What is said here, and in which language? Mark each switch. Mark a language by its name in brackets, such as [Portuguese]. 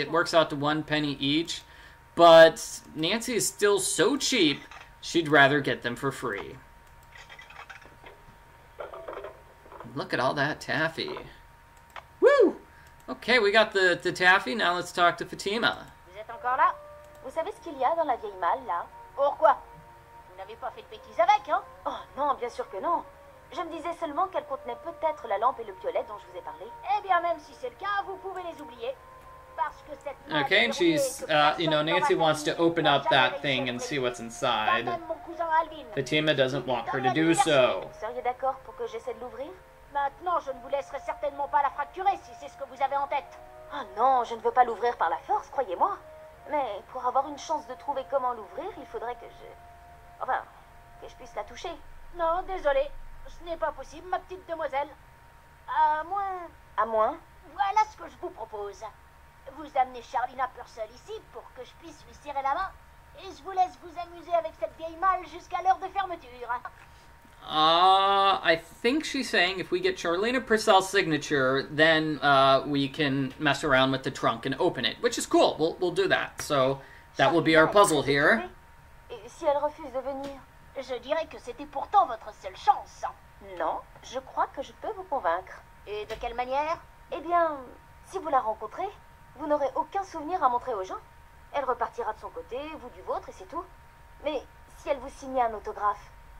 [English] It works out to 1 penny each. But Nancy is still so cheap, she'd rather get them for free. Look at all that taffy. Woo! Okay, we got the taffy, now let's talk to Fatima. [French] Vous êtes encore là? Vous savez ce qu'il y a dans la vieille malle, là? Pourquoi? Vous n'avez pas fait de bêtises avec, hein? Oh non, bien sûr que non. Je me disais seulement qu'elle contenait peut-être la lampe et le piolet dont je vous ai parlé. Eh bien, même si c'est le cas, vous pouvez les oublier. Parce que cette malle [English] okay, and she's, you know, Nancy wants to open up that thing and see what's inside. Fatima doesn't want her to do so. [French] Vous seriez d'accord pour que j'essaie de l'ouvrir? Maintenant, je ne vous laisserai certainement pas la fracturer, si c'est ce que vous avez en tête. Oh non, je ne veux pas l'ouvrir par la force, croyez-moi. Mais pour avoir une chance de trouver comment l'ouvrir, il faudrait que je... Enfin, que je puisse la toucher. Non, désolé. Ce n'est pas possible, ma petite demoiselle. À moins... À moins? Voilà ce que je vous propose. Vous amenez Charlina Purcell ici pour que je puisse lui serrer la main. Et je vous laisse vous amuser avec cette vieille malle jusqu'à l'heure de fermeture. [English] I think she's saying if we get Charlina Purcell's signature, then we can mess around with the trunk and open it, which is cool. We'll do that. So that will be our puzzle here. [French] Et si elle refuse de venir, je dirais que c'était pourtant votre seule chance. Non, je crois que je peux vous convaincre. Et de quelle manière? Eh bien, si vous la rencontrez, vous n'aurez aucun souvenir à montrer aux gens. Elle repartira de son côté, vous du vôtre, et c'est tout. Mais si elle vous signe un autographe.